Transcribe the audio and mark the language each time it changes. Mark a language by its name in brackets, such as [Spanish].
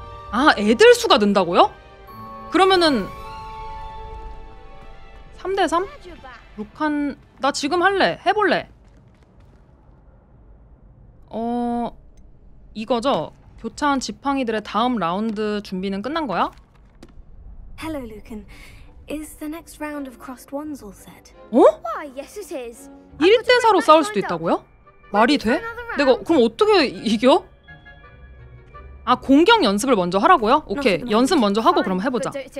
[Korean] 아, 애들 수가 는다고요? 그러면은 3대 3? 루칸 나 지금 할래. 해볼래. 이거죠. 교차한 지팡이들의 다음 라운드 준비는 끝난 거야? [English] Hello, Lucan. Is the next round of crossed wands all set? [Korean] 어? [English] Why, yes it is. [Korean] 1대 4로 싸울 수도 있다고요? 말이 돼? 내가 그럼 어떻게 이겨? 아, 공격 연습을 먼저 하라고요? 오케이. 연습 먼저 하고 그럼 해 보자.